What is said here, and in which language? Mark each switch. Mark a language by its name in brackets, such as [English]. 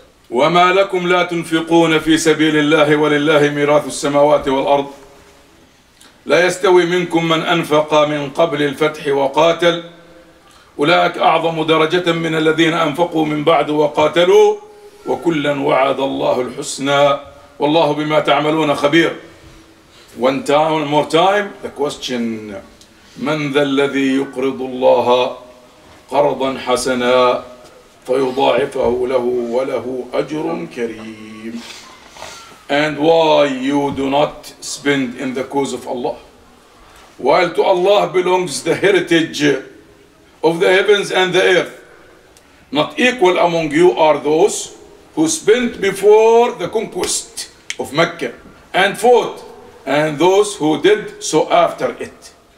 [Arabic] وَمَا لَكُمْ لَا تُنْفِقُونَ فِي سَبِيلِ اللَّهِ وَلِلَّهِ مِيرَاثُ السَّمَاوَاتِ وَالْأَرْضِ لَا يَسْتَوِي مِنْكُمْ مَنْ أَنْفَقَ مِنْ قَبْلِ الْفَتْحِ وَقَاتَلَ أُولَئِكَ أَعْظَمُ دَرَجَةً مِنَ الَّذِينَ أَنْفَقُوا مِنْ بَعْدُ وَقَاتَلُوا وَكُلًّا وَعَدَ اللَّهُ الْحُسْنَى وَاللَّهُ بِمَا تَعْمَلُونَ خَبِيرٌ. [English] One more time, the question. [Arabic] من ذا الذي يقرض الله قرضا حسنا فيضاعفه له وله أجر كريم. [English] And why you do not spend in the cause of Allah? While to Allah belongs the heritage of the heavens and the earth, not equal among you are those who spent before the conquest of Mecca and fought, and those who did so after it.